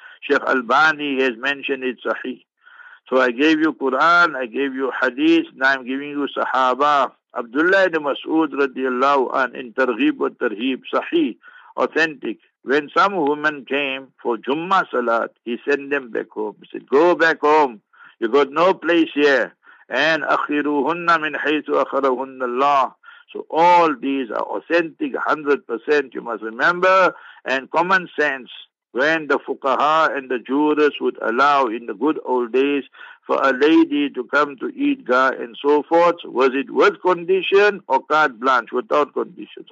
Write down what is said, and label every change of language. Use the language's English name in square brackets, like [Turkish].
[English] Sheikh Albani has mentioned it sahih. So I gave you Quran, I gave you hadith, now I'm giving you sahaba. Abdullah ibn Mas'ud radiallahu an, in Targhib wa Tarhib, sahih, authentic. When some woman came for Jummah Salat, he sent them back home. He said, go back home. You got no place here. [Arabic] And أَخِرُوهُنَّ مِنْ حَيْثُ أَخَرَهُنَّ اللَّهُ. [English] So all these are authentic, 100%, you must remember, and common sense. When the fuqaha and the jurors would allow in the good old days for a lady to come to Eidgah and so forth, was it with condition or carte blanche, without conditions?